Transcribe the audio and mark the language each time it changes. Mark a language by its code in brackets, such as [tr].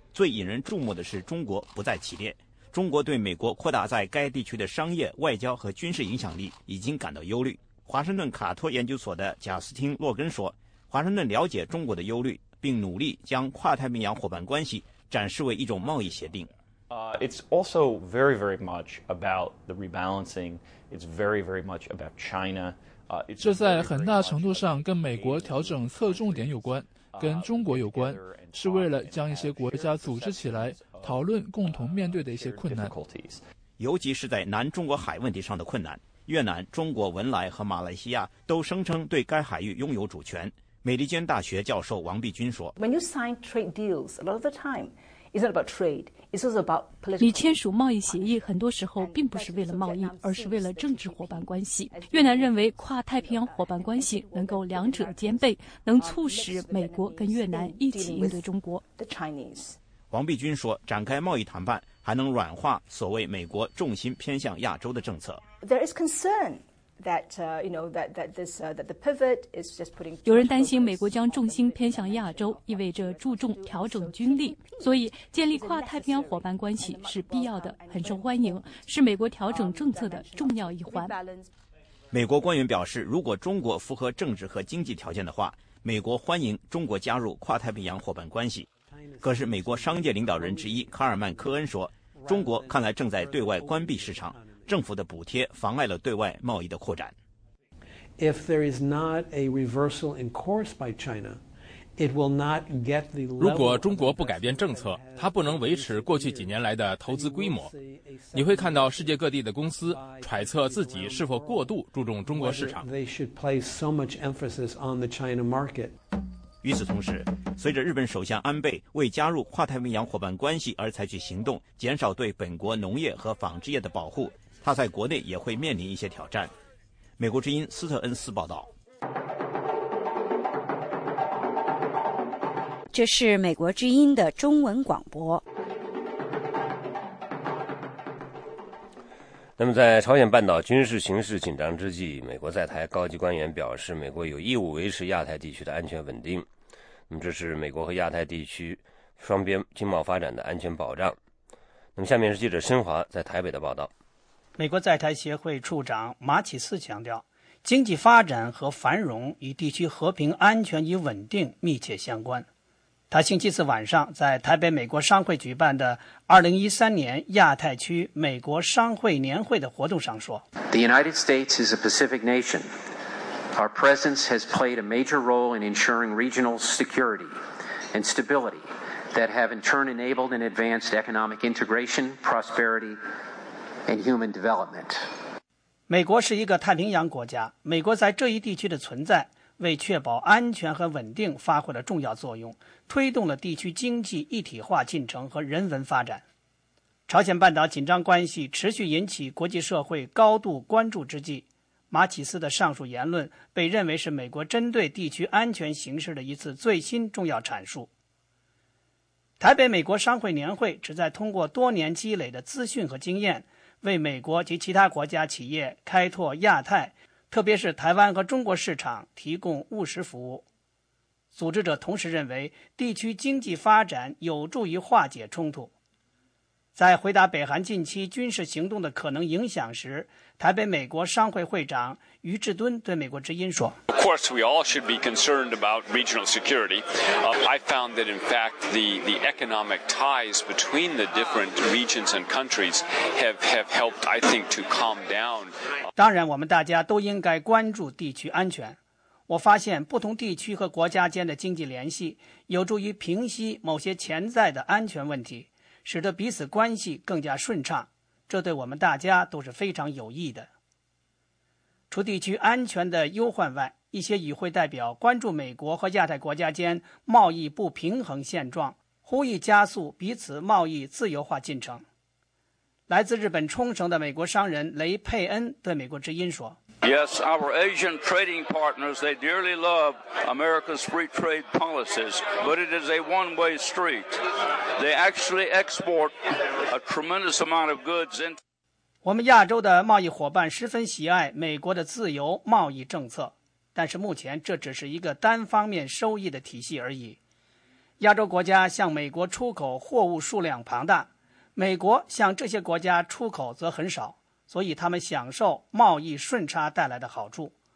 [zh] 最引人注目的是中国不在其列。中国对美国扩大在该地区的商业、外交和军事影响力已经感到忧虑。华盛顿卡托研究所的贾斯汀·洛根说，华盛顿了解中国的忧虑，并努力将跨太平洋伙伴关系展示为一种贸易协定。 [en] It's also very, very much about the rebalancing. It's very, very much about China. [zh] 这在很大程度上跟美国调整侧重点有关，跟中国有关，是为了将一些国家组织起来，讨论共同面对的一些困难。尤其是在南中国海问题上的困难，越南、中国、文莱和马来西亚都声称对该海域拥有主权。美利坚大学教授王碧君说 [en] ：“When you sign trade deals, a lot of the time, it's not about trade. It's also about political. [zh] 你签署贸易协议，很多时候并不是为了贸易，而是为了政治伙伴关系。越南认为跨太平洋伙伴关系能够两者兼备，能促使美国跟越南一起应对中国。 [en] The Chinese. [zh] 王碧君说，展开贸易谈判还能软化所谓美国重心偏向亚洲的政策。 [en] There is concern.” That the pivot is just putting [zh] 有人担心美国将重心偏向亚洲，意味着注重调整军力，所以建立跨太平洋伙伴关系是必要的，很受欢迎，是美国调整政策的重要一环。美国官员表示，如果中国符合政治和经济条件的话，美国欢迎中国加入跨太平洋伙伴关系。可是美国商界领导人之一卡尔曼·科恩说，中国看来正在对外关闭市场，政府的补贴妨碍了对外贸易的扩展。 [en] If there is not a reversal in course by China, it will not get the level. [zh] 如果中国不改变政策，它不能维持过去几年来的投资规模。你会看到世界各地的公司揣测自己是否过度注重中国市场。 [en] They should place so much emphasis on the China market. [zh] 与此同时，随着日本首相安倍为加入跨太平洋伙伴关系而采取行动，减少对本国农业和纺织业的保护。他在国内也会面临一些挑战。美国之音斯特恩斯报道。这是美国之音的中文广播。那么在朝鲜半岛军事形势紧张之际，美国在台高级官员表示，美国有义务维持亚太地区的安全稳定。那么这是美国和亚太地区双边经贸发展的安全保障。那么下面是记者申华在台北的报道。美国在台协会处长马启四强调，经济发展和繁荣与地区和平安全与稳定密切相关。他星期四晚上在台北美国商会举办的2013年亚太区美国商会年会的活动上说， [en] The United States is a Pacific nation. Our presence has played a major role in ensuring regional security and stability that have in turn enabled and advanced economic integration, prosperity,And human development. [zh] 美国是一个太平洋国家，美国在这一地区的存在为确保安全和稳定发挥了重要作用，推动了地区经济一体化进程和人文发展。朝鲜半岛紧张关系持续引起国际社会高度关注之际，马启斯的上述言论被认为是美国针对地区安全形势的一次最新重要阐述。台北美国商会年会旨在通过多年积累的资讯和经验，为美国及其他国家企业开拓亚太，特别是台湾和中国市场提供务实服务。组织者同时认为，地区经济发展有助于化解冲突。在回答北韩近期军事行动的可能影响时，台北美国商会会长于志敦对美国之音说 [en] ：“Of course, we all should be concerned about regional security. I found that, in fact, the economic ties between the different regions and countries have helped, I think, to calm down.” [zh] 当然，我们大家都应该关注地区安全。我发现不同地区和国家间的经济联系有助于平息某些潜在的安全问题，使得彼此关系更加顺畅，这对我们大家都是非常有益的。除地区安全的忧患外，一些与会代表关注美国和亚太国家间贸易不平衡现状，呼吁加速彼此贸易自由化进程。来自日本冲绳的美国商人雷佩恩对美国之音说 [en] Yes, our Asian trading partners, they dearly love America's free trade policies, but it is a one-way street. They actually export a tremendous amount of goods into [zh] 我们亚洲的贸易伙伴十分喜爱美国的自由贸易政策，但是目前这只是一个单方面收益的体系而已。亚洲国家向美国出口货物数量庞大，美国向这些国家出口则很少，所以他们享受贸易顺差带来的好处。